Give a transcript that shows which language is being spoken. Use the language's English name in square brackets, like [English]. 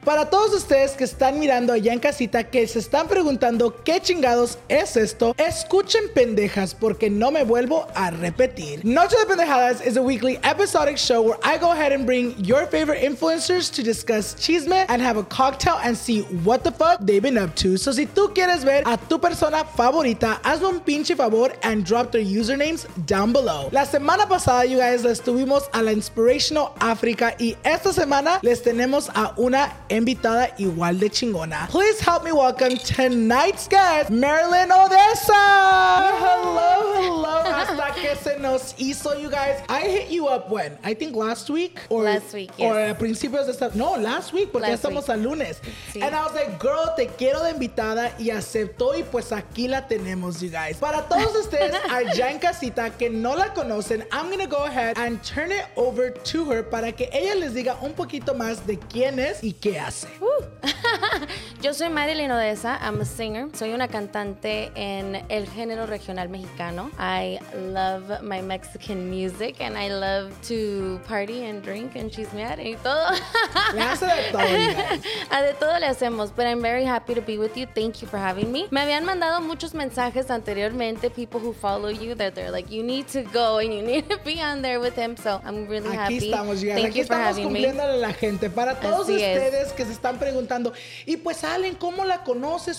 [Spanish] Para todos ustedes que están mirando allá en casita, que se están preguntando qué chingados es esto, escuchen pendejas porque no me vuelvo a repetir. [English] Noche de Pendejadas is a weekly episodic show where I go ahead and bring your favorite influencers to discuss chisme and have a cocktail and see what the fuck they've been up to. [Spanish] So si tú quieres ver a tu persona favorita, hazme un pinche favor [English] and drop their usernames down below. [Spanish] La semana pasada, [English] you guys, [Spanish] les tuvimos a la Inspirational Africa, y esta semana les tenemos a una invitada igual de chingona. [English] Please help me welcome tonight's guest, Marilyn Odessa. [Spanish] Hello, hello, hasta que se nos hizo, [English] you guys. I hit you up when? I think last week? Or, last week, yes. [Spanish] Or a principios de esta... No, [English] last week, [Spanish] porque last ya estamos week. A lunes. Sí. [English] And I was like, girl, [Spanish] te quiero de invitada, y aceptó, y pues aquí la tenemos, [English] you guys. [Spanish] Para todos ustedes allá en casita que no la conocen, [English] I'm gonna go ahead and turn it over to her [Spanish] para que ella les diga un poquito más de quién es y qué hace. Yo soy [English] Marilyn Odessa. I'm a singer. [Spanish] Soy una cantante en el género regional mexicano. [English] I love my Mexican music and I love to party and drink and chismear [Spanish] y todo. Le hace de todo, [English] you guys. [Spanish] A de todo le hacemos, [English] but I'm very happy to be with you. Thank you for having me. [Spanish] Me habían mandado muchos mensajes anteriormente, [English] people who follow you, that they're like, you need to go and you need to be on there with him. So I'm really [Spanish] aquí [English] happy. [Spanish] Estamos, you guys. [English] Thank [Spanish] aquí [English] you for [Spanish] estamos [English] having me. [Spanish] Aquí estamos cumpliéndole a la gente. Para todos así ustedes es. Que se están preguntando, y pues Allen, ¿cómo la conoces?